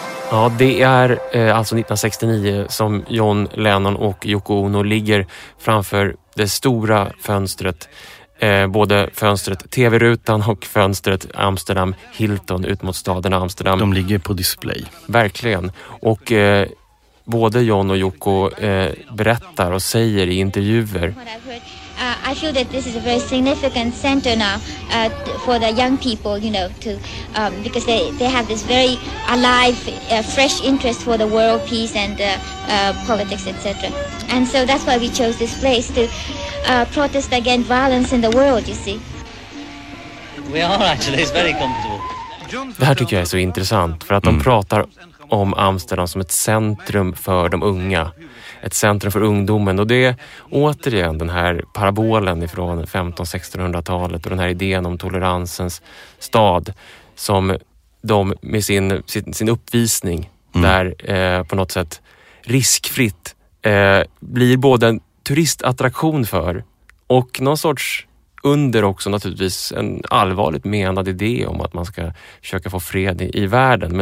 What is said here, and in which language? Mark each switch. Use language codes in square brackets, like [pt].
[sv] Ja, det är alltså 1969 som John Lennon och Yoko Ono ligger framför det stora fönstret. Både fönstret TV-rutan och fönstret Amsterdam Hilton ut mot staden Amsterdam. De ligger på display. Verkligen. Och både John och Yoko berättar och säger i intervjuer. [en] I feel that this is a very significant center now for the young people, you know, to because they have this very alive, fresh interest for the world peace and politics, etc. And so that's why we chose this place to protest against violence in the world, you see. We are actually, it's very comfortable. [sv] Det här tycker jag är så intressant, för att de pratar om Amsterdam som ett centrum för de unga. Ett centrum för ungdomen, och det är återigen den här parabolen ifrån 1500-1600-talet och den här idén om toleransens stad som de med sin uppvisning där på något sätt riskfritt blir både en turistattraktion för och någon sorts under också naturligtvis en allvarligt menad idé om att man ska försöka få fred i världen.